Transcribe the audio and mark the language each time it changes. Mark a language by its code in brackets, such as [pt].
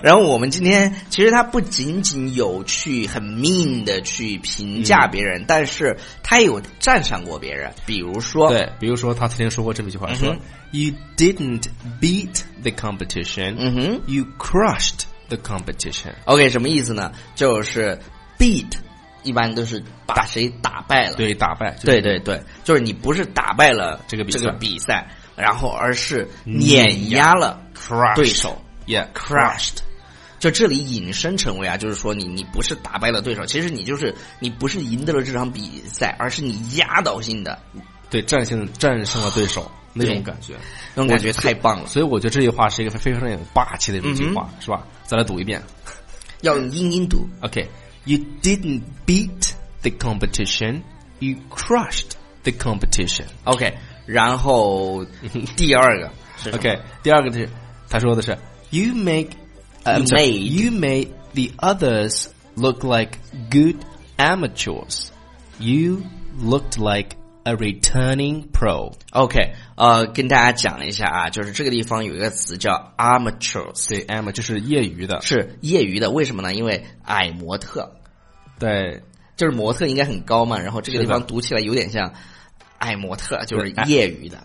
[zh] 然后我们今天其实他不仅仅有去很 mean 的去评价别人，但是他也有赞赏过别人。比如说他曾经说过这么一句话，说 [en] You didn't beat the competition， You crushed the competition。 [zh] OK， 什么意思呢？就是 beat 一般都是把谁打败了。对，打败。对对对，就是你不是打败了这个比赛，然后而是碾压了对手。 [en] yeah， [zh] crushed， 就这里引申成为啊，就是说你不是打败了对手，其实你不是赢得了这场比赛，而是你压倒性的，对，战胜了对手。那种感觉，那种感觉太棒了。所以我觉得这句话是一个非常有霸气的一句话，是吧？再来读一遍，要用英音读。 [en] OK， You didn't beat the competition， You crushed the competition。 [zh] OK，然后第二个是 [en] OK， [zh] 第二个是他说的是 [en] You make You make the others look like good amateurs， You looked like a returning pro。 [zh] OK， 跟大家讲一下啊，就是这个地方有一个词叫 amateurs。对， amateur 就是业余的，是业余的。为什么呢？因为矮模特。对，就是模特应该很高嘛，然后这个地方读起来有点像爱模特，就是业余的